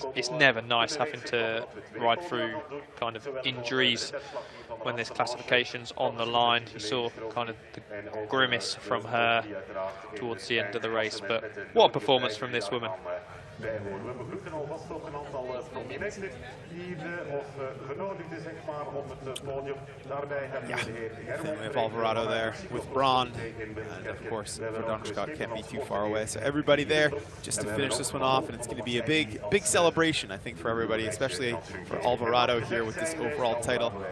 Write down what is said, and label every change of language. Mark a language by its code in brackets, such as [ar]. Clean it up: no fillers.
[en] It's never nice having to ride through kind of injuries when there's classifications on the line. You saw kind of the grimace from her towards the end of the race, but what a performance from this woman. [nl] We begroeten alvast ook een aantal prominenten hier of genodigden zeg maar op het podium. Daarbij hebben we de heer Herman. [en] We have Alvarado there with Braun. And of course, Verdonkscott can't be too far away. So everybody there just to finish this one off. And it's going to be a big, big celebration, I think, for everybody, especially for Alvarado here with this overall title.